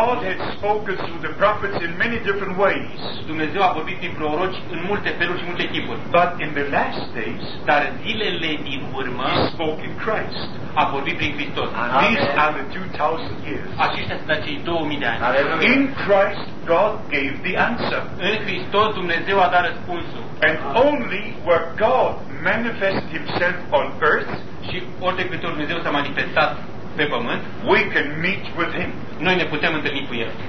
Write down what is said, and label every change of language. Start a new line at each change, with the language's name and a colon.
English: God has spoken through the prophets in many different ways.
Romanian: Dumnezeu a vorbit prin proroci în multe feluri și multe tipuri.
English: But in the last days.
Romanian: Dar zilele din urmă.
English: He spoke in Christ.
Romanian: A vorbit prin Hristos.
English: These are the 2000 years.
Romanian: Aceștia sunt acei 2000 de ani.
English: In Christ God gave the answer.
Romanian: În Hristos Dumnezeu a dat răspunsul.
English: And only where God manifests Himself on earth,
Romanian: și ori de câte ori Dumnezeu s-a manifestat pe pământ,
English: we can meet with Him.
Romanian: Noi ne putem întâlni cu El.